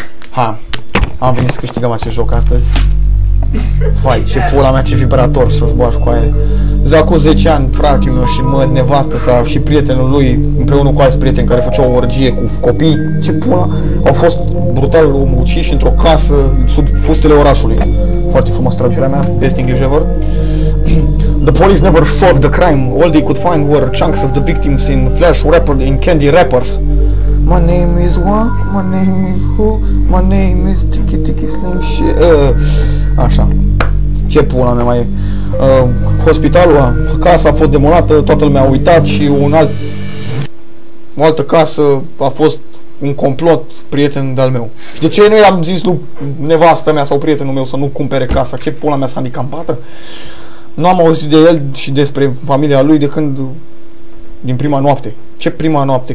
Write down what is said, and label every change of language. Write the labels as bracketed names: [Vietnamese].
[Romanian] Ha, am venit să câștigăm acest joc astăzi. Vai, ce pula mea, ce vibrator să zboar cu aia. Zacu 10 ani, fratele meu și măs, nevastă sa și prietenul lui, împreună cu alți prieteni care făceau o orgie cu copii. Ce pula, au fost brutal uciși într-o casă sub fustele orașului. Foarte frumos traducerea mea, [English] best English ever. The police never solved the crime. All they could find were chunks of the victims in flash wrapped in candy wrappers. My name is what? My name is who? My name is Tiki Tiki Slim Shit. [Romanian] Așa. Ce pula mea mai e? Hospitalul, casa a fost demolată, toată lumea a uitat și o altă casă a fost un complot, prieten de-al meu. Și de ce nu i-am zis lui nevastă mea sau prietenul meu să nu cumpere casa? Ce pula mea s-a handicampată? Nu am auzit de el și despre familia lui de când... Din prima noapte. Ce prima noapte?